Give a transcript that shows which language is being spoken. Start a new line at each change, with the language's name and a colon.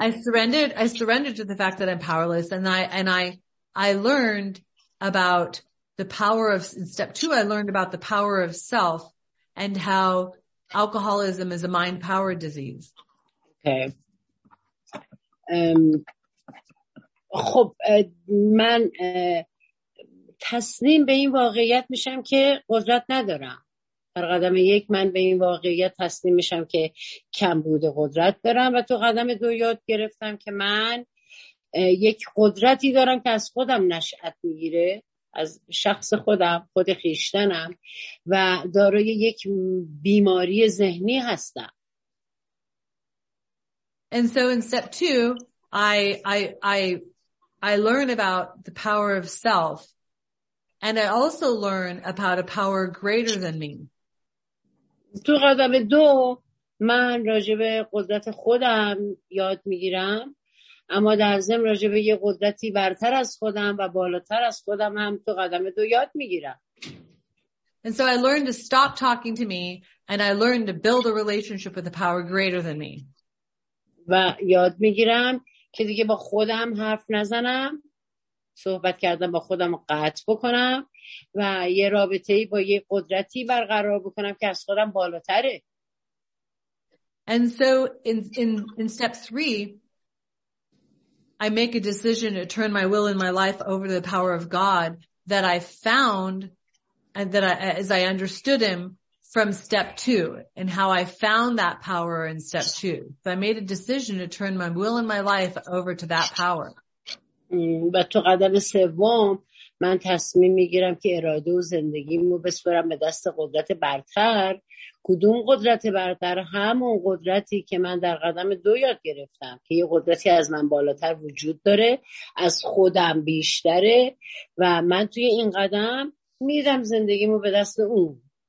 English: I surrendered to the fact that I'm powerless, and I learned about the power of, in step two, I learned about the power of self and how alcoholism is a mind powered disease.
Persian: خب من تسلیم به این واقعیت میشم که قدرت ندارم. در قدم یک من به این واقعیت تسلیم میشم که کم بوده قدرت دارم، و تو قدم دو یاد گرفتم که من یک قدرتی دارم که از خودم نشأت میگیره، از شخص خودم، خود خیشتنم، و دارای یک بیماری ذهنی هستم.
English: And so in step two, I learn about the power of self, and I also learn about a power greater than me.
Persian: تو قدم دو من راجع به قدرت خودم یاد میگیرم، اما در ضمن راجع به یه قدرتی برتر از خودم و بالاتر از خودم هم تو قدم دو یاد میگیرم.
English: And so I learned to stop talking to me, and I learned to build a relationship with a power greater than me.
Persian: و یاد میگیرم که دیگه با خودم حرف نزنم، صحبت کردم با خودم رو قطع بکنم و یه رابطه با یه قدرتی برقرار بکنم که از خودم بالاتره.
English: And so in step 3 I make a decision to turn my will and my life over to the power of God that I found and that I, as I understood him from step 2 and how I found that power in step 2. So I made a decision to turn my will and my life over to that power.
Persian: و تو قدم سوم من تصمیم میگیرم که اراده و زندگیمو بسپرم به دست قدرت برتر. کدوم قدرت برتر؟ همون قدرتی که من در قدم دو یاد گرفتم که یه قدرتی از من بالاتر وجود داره، از خودم بیشتره، و من توی این قدم میدم زندگیمو به دست اون.